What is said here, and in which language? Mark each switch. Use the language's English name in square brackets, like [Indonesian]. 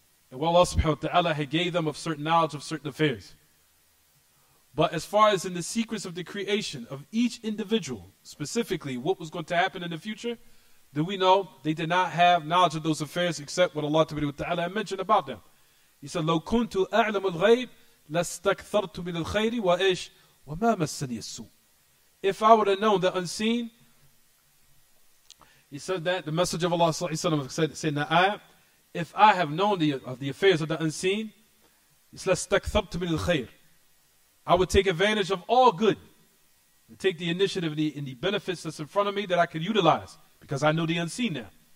[English] And what Allah subhanahu wa ta'ala had gave them of certain knowledge of certain affairs. But as far as in the secrets of the creation of each individual, specifically what was going to happen in the future, then we know they did not have knowledge of those affairs except what Allah subhanahu wa ta'ala had mentioned about them. He said, [Arabic] لَوْ كُنْتُ أَعْلَمُ الْغَيْبِ لَسْتَكْثَرْتُ مِنَ الْخَيْرِ وَإِشْ وَمَا مَسَّنِيَ السُّوءِ. [English] If I would have known the unseen, he said that the Messenger of Allah sallallahu alaihi wasallam said in the ayah, if I have known the affairs of the unseen, it's [Arabic] لَسْتَكْثَرْتُ مِنَ الْخَيْرِ. [English] I would take advantage of all good and take the initiative and the benefits that's in front of me that I could utilize because I know the unseen now.